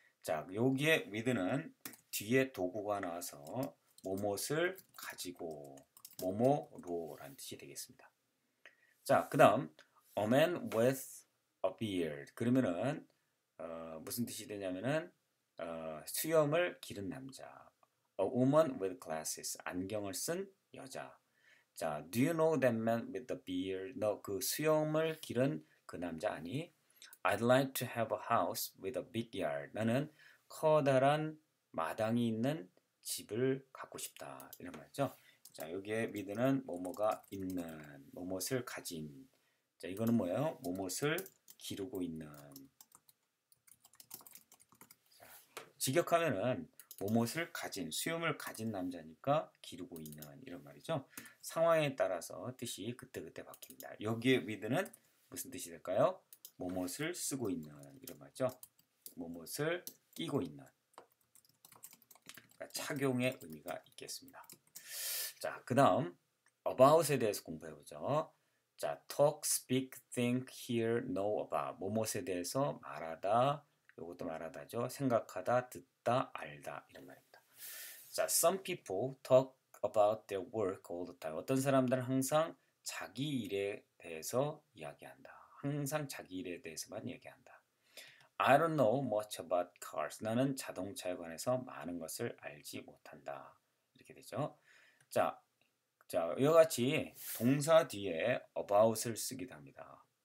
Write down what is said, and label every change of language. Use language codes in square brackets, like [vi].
[ko] 자, 여기에 with는 뒤에 도구가 나와서 뭐뭇을 가지고 뭐뭐로라는 뜻이 되겠습니다. 자, 그 다음 [en] a man with a beard. [ko] 그러면은 무슨 뜻이 되냐면은 수염을 기른 남자. [en] A woman with glasses. [ko] 안경을 쓴 여자. [en] 자, do you know that man with the beard? [ko] 너 그 수염을 기른 그 남자 아니? [en] I'd like to have a house with a big yard. [ko] 나는 커다란 마당이 있는 집을 갖고 싶다. 이런 말이죠. 자, 여기에 with는 뭐뭐가 있는, 뭐뭇을 가진. 자, 이거는 뭐예요? 뭐뭇을 기르고 있는. 자, 직역하면은 뭐뭇을 가진, 수염을 가진 남자니까 기르고 있는 이런 말이죠. 상황에 따라서 뜻이 그때그때 바뀝니다. 여기에 with는 무슨 뜻이 될까요? 뭐뭇을 쓰고 있는 이런 말이죠. 뭐뭇을 끼고 있는. 그러니까 착용의 의미가 있겠습니다. 자, 그 다음 about에 대해서 공부해보죠. 자, [en] talk, speak, think, hear, know about. [ko] 뭐뭇에 대해서 말하다, 이것도 말하다죠. 생각하다, 듣다. 알다 이런 말입니다. [en] 자, some people talk about their work all the time. [ko] 어떤 사람들은 항상 자기 일에 대해서 이야기한다. 항상 자기 일에 대해서만 이야기한다. [en] I don't know much about cars. [ko] 나는 자동차에 관해서 많은 것을 알지 못한다. 이렇게 되죠. 자, 자 이와 같이 동사 뒤에 about을 쓰기도 합니다.